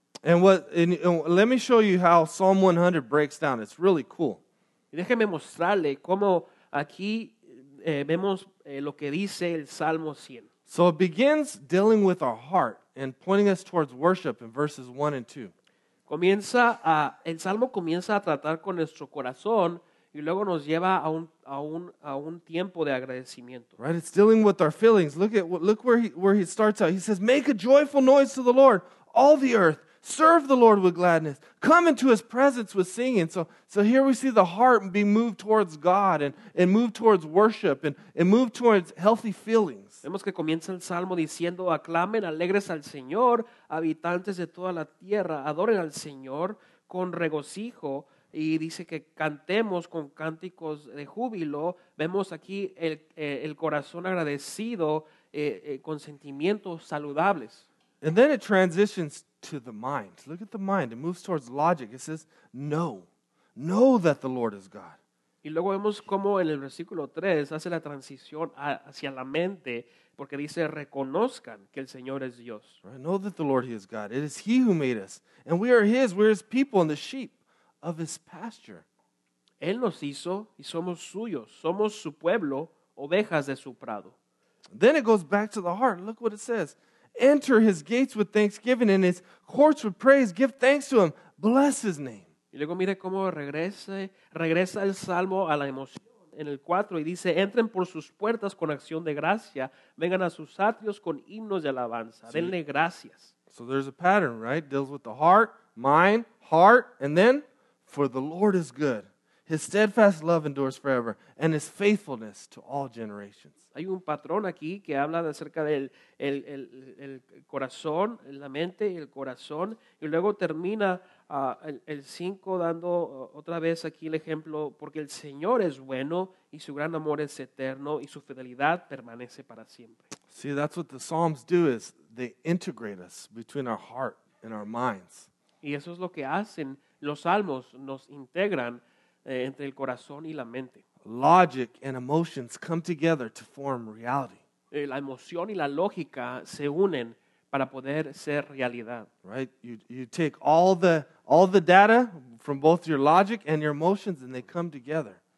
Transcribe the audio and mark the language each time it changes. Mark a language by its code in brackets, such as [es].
[en] And let me show you how Psalm 100 breaks down. It's really cool. [es] Y déjeme mostrarle cómo aquí vemos lo que dice el Salmo 100. [en] So it begins dealing with our heart and pointing us towards worship in verses 1 and 2. [es] El Salmo comienza a tratar con nuestro corazón y luego nos lleva a un tiempo de agradecimiento. [en] Right, it's dealing with our feelings. Look where he starts out. He says, make a joyful noise to the Lord, all the earth. Serve the Lord with gladness. Come into his presence with singing. So here we see the heart be moved towards God and move towards worship and move towards healthy feelings. [es] Vemos que comienza el Salmo diciendo, aclamen alegres al Señor, habitantes de toda la tierra, adoren al Señor con regocijo. Y dice que cantemos con cánticos de júbilo. Vemos aquí el corazón agradecido con sentimientos saludables. [en] And then it transitions to the mind. Look at the mind. It moves towards logic. It says, know that the Lord is God. [es] Y luego vemos cómo en el versículo 3 hace la transición hacia la mente, porque dice, reconozcan que el Señor es Dios. [en] Right? Know that the Lord, he is God. It is he who made us. And we are his. We are his people and the sheep of his pasture. [es] Él nos hizo y somos suyos. Somos su pueblo, ovejas de su prado. [en] Then it goes back to the heart. Look what it says. Enter his gates with thanksgiving and his courts with praise. Give thanks to him. Bless his name. [es] Y luego mire cómo regresa el salmo a la emoción en el 4 y dice, entren por sus puertas con acción de gracia. Vengan a sus atrios con himnos de alabanza. See, denle gracias. [en] So there's a pattern, right? Deals with the heart, mind, heart, and then, for the Lord is good. His steadfast love endures forever, and his faithfulness to all generations. [es] Hay un patrón aquí que habla acerca del el corazón, la mente y el corazón, y luego termina el 5 dando otra vez aquí el ejemplo, porque el Señor es bueno, y su gran amor es eterno, y su fidelidad permanece para siempre. [en] See, that's what the Psalms do, is they integrate us between our heart and our minds. [es] Y eso es lo que hacen los Salmos, nos integran entre el corazón y la mente. [en] Logic and emotions come together to form reality. [es] La emoción y la lógica se unen para poder ser realidad. [en] Right? You take all the data from both your logic and your emotions, and they come together.